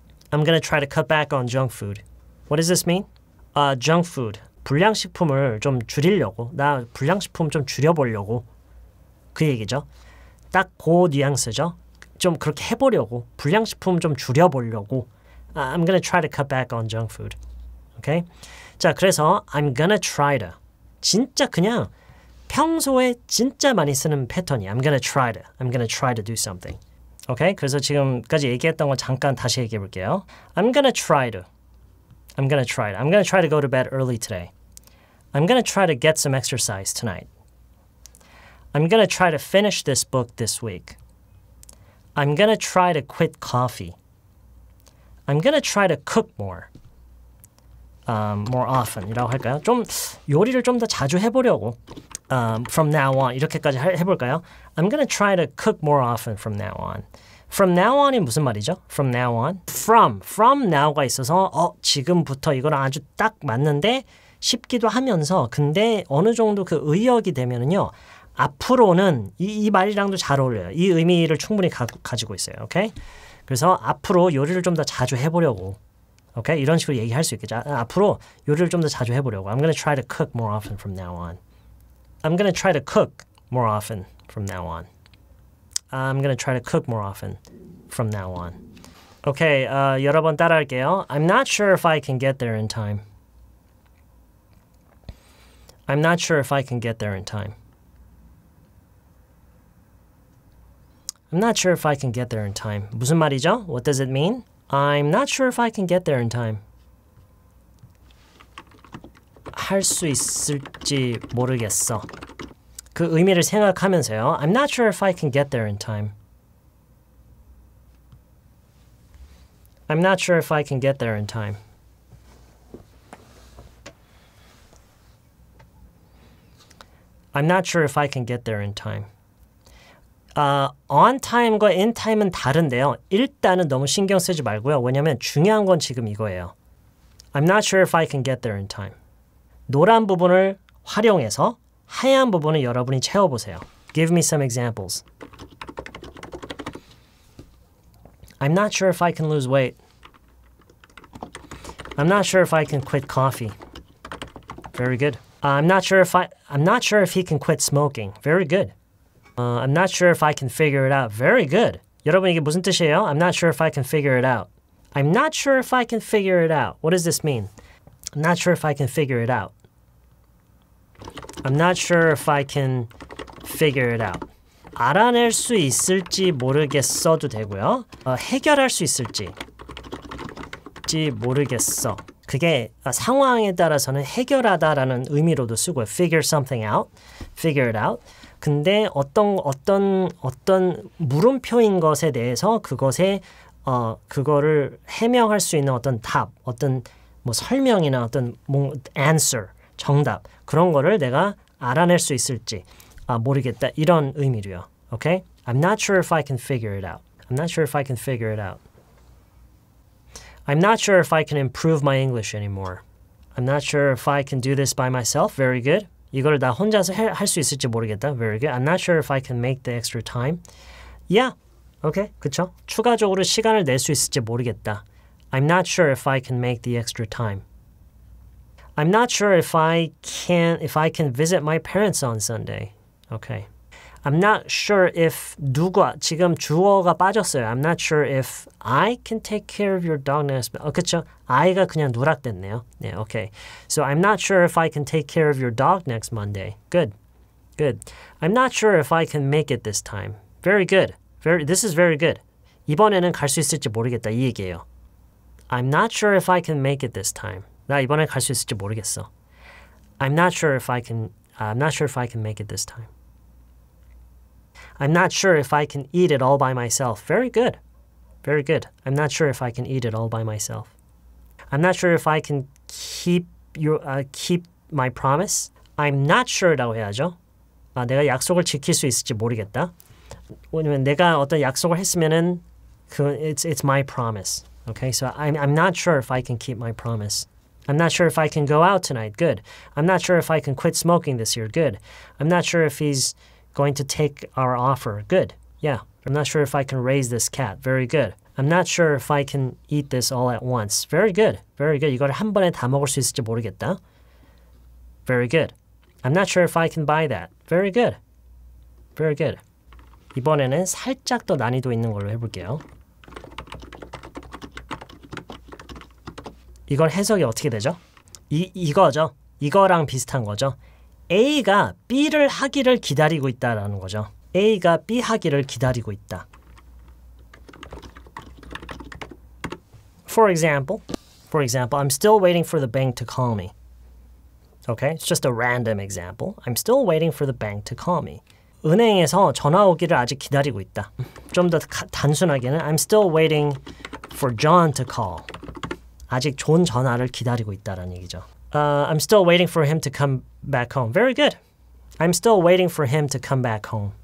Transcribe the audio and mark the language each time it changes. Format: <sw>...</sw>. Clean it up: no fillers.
<en>I'm going to try to cut back on junk food. What does this mean? Junk food.</en> <ko>불량식품을 좀 줄이려고. 나 불량식품 좀 줄여보려고. 그 얘기죠. 딱 그 뉘앙스죠. 좀 그렇게 해보려고. 불량식품 좀 줄여보려고.</ko> <en>I'm going to try to cut back on junk food. Okay?</en> <ko>자, 그래서</ko> <en>I'm going to try to.</en> <ko>진짜 그냥 평소에 진짜 많이 쓰는 패턴이야.</ko> <en>I'm going to try to. I'm going to try to do something. Okay?</en> <ko>그래서 지금까지 얘기했던 거 잠깐 다시 얘기해 볼게요.</ko> <en>I'm going to try to. I'm going to try it. I'm going to try to go to bed early today. I'm going to try to get some exercise tonight. I'm going to try to finish this book this week. I'm going to try to quit coffee. I'm going to try to cook more. More often.</en> <ko>이라고 할까요? 좀 요리를 좀 더 자주 해보려고.</ko> <en>From now on.</en> <ko>이렇게까지 해볼까요?</ko> <en>I'm going to try to cook more often from now on. From now on이</en> <ko>무슨 말이죠?</ko> <en>From now on.</en> <ko>From now가 있어서 지금부터 이거는 아주 딱 맞는데 싶기도 하면서 근데 어느 정도 그 의역이 되면은요. 앞으로는 이 말이랑도 잘 어울려요. 이 의미를 충분히 가지고 있어요. 오케이? 그래서 앞으로 요리를 좀 더 자주 해보려고. 오케이? 이런 식으로 얘기할 수 있겠죠. 앞으로 요리를 좀 더 자주 해보려고.</ko> <en>I'm gonna try to cook more often from now on. I'm gonna try to cook more often from now on. I'm going to try to cook more often from now on. Okay,</en> <ko>여러 번 따라할게요.</ko> <en>I'm not sure if I can get there in time. I'm not sure if I can get there in time. I'm not sure if I can get there in time.</en> <ko>무슨 말이죠?</ko> <en>What does it mean? I'm not sure if I can get there in time.</en> <ko>할 수 있을지 모르겠어. 그 의미를 생각하면서요.</ko> <en>I'm not sure if I can get there in time. I'm not sure if I can get there in time. I'm not sure if I can get there in time.</en> <ko>On time과 in time은 다른데요. 일단은 너무 신경 쓰지 말고요. 왜냐면 중요한 건 지금 이거예요.</ko> <en>I'm not sure if I can get there in time.</en> <ko>노란 부분을 활용해서 하얀 부분을 여러분이 채워보세요.</ko> <en>Give me some examples. I'm not sure if I can lose weight. I'm not sure if I can quit coffee. Very good. I'm not sure if he can quit smoking. Very good. I'm not sure if I can figure it out. Very good.</en> <ko>여러분 이게 무슨 뜻이에요?</ko> <en>I'm not sure if I can figure it out. I'm not sure if I can figure it out. What does this mean? I'm not sure if I can figure it out. I'm not sure if I can figure it out.</en> <ko>알아낼 수 있을지 모르겠어도 되고요. 해결할 수 있을지 모르겠어. 그게 상황에 따라서는 해결하다라는 의미로도 쓰고요.</ko> <en>Figure something out. Figure it out.</en> <ko>근데 어떤 물음표인 것에 대해서 그것에 그거를 해명할 수 있는 어떤 답, 어떤 뭐 설명이나 어떤 뭐 answer, 정답 그런 거를 내가 알아낼 수 있을지 모르겠다 이런 의미로요.</ko> <en>Okay? I'm not sure if I can figure it out. I'm not sure if I can figure it out. I'm not sure if I can improve my English anymore. I'm not sure if I can do this by myself. Very good.</en> <ko>이걸 나 혼자서 할 수 있을지 모르겠다.</ko> <en>Very good. I'm not sure if I can make the extra time. Yeah. Okay.</en> <ko>그쵸? 추가적으로 시간을 낼 수 있을지 모르겠다.</ko> <en>I'm not sure if I can make the extra time. I'm not sure if I can visit my parents on Sunday. Okay. I'm not sure if</en> <ko>누가 지금 주어가 빠졌어요.</ko> <en>I'm not sure if I can take care of your dog next.</en> <ko>어 그렇죠. 아이가 그냥 누락됐네요. 네, okay.</ko> <en>So I'm not sure if I can take care of your dog next Monday. Good. Good. I'm not sure if I can make it this time. Very good. This is very good.</en> <ko>이번에는 갈 수 있을지 모르겠다 이 얘기예요.</ko> <en>I'm not sure if I can make it this time.</en> <ko>나 이번에 갈 수 있을지 모르겠어.</ko> <en>I'm not sure if I can make it this time. I'm not sure if I can eat it all by myself. Very good. Very good. I'm not sure if I can eat it all by myself. I'm not sure if I can keep my promise. I'm not sure</en> <ko>라고 해야죠. 아, 내가 약속을 지킬 수 있을지 모르겠다. 왜냐면 내가 어떤 약속을 했으면은</ko> <en>it's my promise. Okay? So I'm not sure if I can keep my promise. I'm not sure if I can go out tonight. Good. I'm not sure if I can quit smoking this year. Good. I'm not sure if he's going to take our offer. Good. Yeah. I'm not sure if I can raise this cat. Very good. I'm not sure if I can eat this all at once. Very good. Very good.</en> <ko>이걸 한 번에 다 먹을 수 있을지 모르겠다.</ko> <en>Very good. I'm not sure if I can buy that. Very good. Very good.</en> <ko>이번에는 살짝 더 난이도 있는 걸로 해볼게요. 이걸 해석이 어떻게 되죠? 이거죠. 이거랑 비슷한 거죠. A가 B를 하기를 기다리고 있다라는 거죠. A가 B 하기를 기다리고 있다.</ko> <en>For example, I'm still waiting for the bank to call me. Okay, it's just a random example. I'm still waiting for the bank to call me.</en> <ko>은행에서 전화 오기를 아직 기다리고 있다.</ko> <en>좀 더 단순하게는 I'm still waiting for John to call.</en> <ko>아직 존 전화를 기다리고 있다라는 얘기죠.</ko> <en>I'm still waiting for him to come back home. Very good. I'm still waiting for him to come back home.</en>